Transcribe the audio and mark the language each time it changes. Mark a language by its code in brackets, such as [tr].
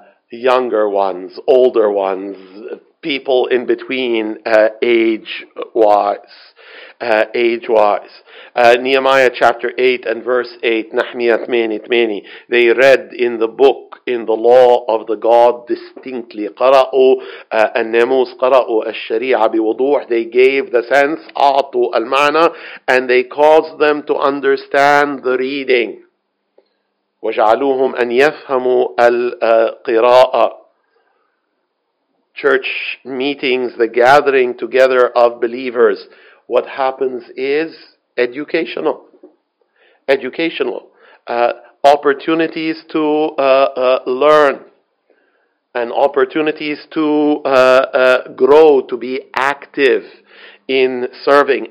[en] Younger ones, older ones, people in between age-wise. Nehemiah chapter 8 and verse 8, [ar] Nahmiyat Meni Tmeni, [en] they read in the book, in the law of the God distinctly. [ar] قرأوا النموس, قرأوا الشريعة بوضوح. [en] They gave the sense, [ar] أعطوا المعنى, [en] and they caused them to understand the reading. [ar] وجعلوهم أن يفهموا القراءة. [en] Church meetings, the gathering together of believers, what happens is educational. Educational. Opportunities to learn, and opportunities to grow, to be active in serving.